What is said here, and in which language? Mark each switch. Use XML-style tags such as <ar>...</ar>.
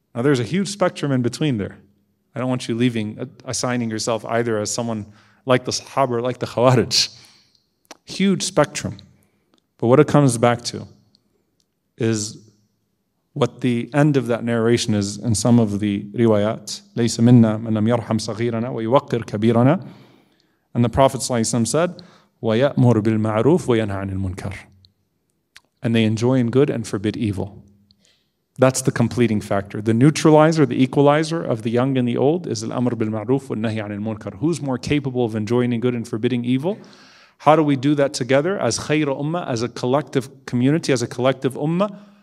<en>Now there's a huge spectrum in between there. I don't want you leaving, assigning yourself either as someone like the Sahaba or like the Khawarij. Huge spectrum. But what it comes back to is what the end of that narration is in some of the riwayat,</en> <ar>لَيْسَ مِنَّا مَنَّمْ يَرْحَمْ صَغِيرَنَا وَيُوَقِّرْ كَبِيرَنَا.</ar> <en>And the Prophet ﷺ said,</en> <ar>ويأمر بالمعروف وينهى عن المنكر.</ar> <en>And they enjoin good and forbid evil. That's the completing factor. The neutralizer, the equalizer of the young and the old is</en> <ar>الأمر بالمعروف والنهي عن المنكر.</ar> <en>Who's more capable of enjoining good and forbidding evil? How do we do that together as خير أمة, as a collective community, as a collective ummah?</en>